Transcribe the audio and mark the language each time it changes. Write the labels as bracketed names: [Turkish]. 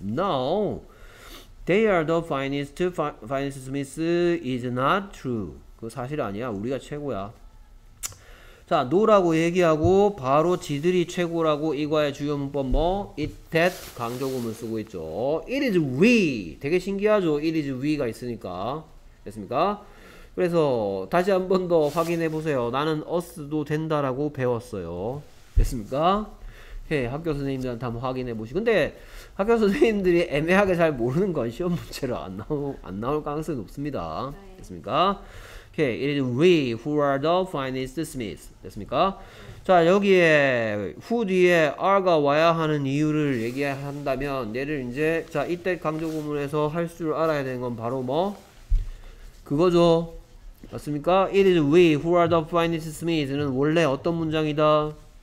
[English] No, they are the finest finest smiths is not true. [Korean] 그거 사실 아니야. 우리가 최고야. 자, no라고 얘기하고 바로 지들이 최고라고 이과의 주요 문법 뭐 it, that 강조구문 쓰고 있죠. [English] It is we. [Korean] 되게 신기하죠. [English] It is we가 [Korean] 있으니까. 됐습니까? 그래서 다시 한 번 더 확인해 보세요. 나는 us도 된다라고 배웠어요. 됐습니까? 네, 학교 선생님들한테 한번 확인해 보시고 근데 학교 선생님들이 애매하게 잘 모르는 건 시험 문제로 안 나올 가능성이 높습니다. 됐습니까? [English] Okay, it is we who are the finest smiths. [Korean] 됐습니까? 자, 여기에 who 뒤에 are가 와야 하는 이유를 얘기한다면 얘를 이제 자 이때 강조구문에서 할 줄 알아야 되는 건 바로 뭐? 그거죠. 맞습니까? [English] It is we who are the finest smiths [Korean] 는 원래 어떤 문장이다?